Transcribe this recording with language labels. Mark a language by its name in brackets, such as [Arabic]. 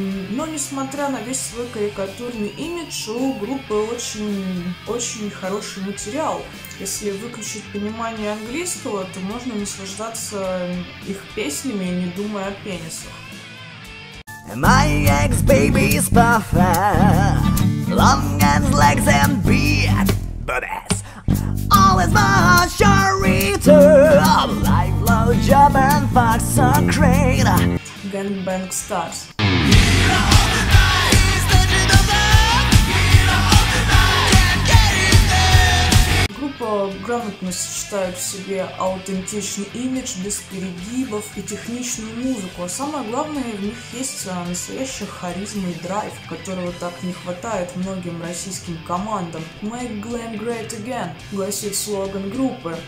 [Russian] Но несмотря на весь свой карикатурный имидж, у группы очень хороший материал. Если выключить понимание английского, то можно наслаждаться их песнями, не думая о пенисах. [English] My ex-baby is perfect. Long hands, legs and beard. But as always my heart shall return. Life, love, job and fuck so great. Gangbang Stars. [Russian] Грамотно сочетают в себе аутентичный имидж без перегибов и техничную музыку, а самое главное, в них есть настоящая харизма и драйв, которого так не хватает многим российским командам. [English] Make glam great again, [Russian] гласит слоган группы.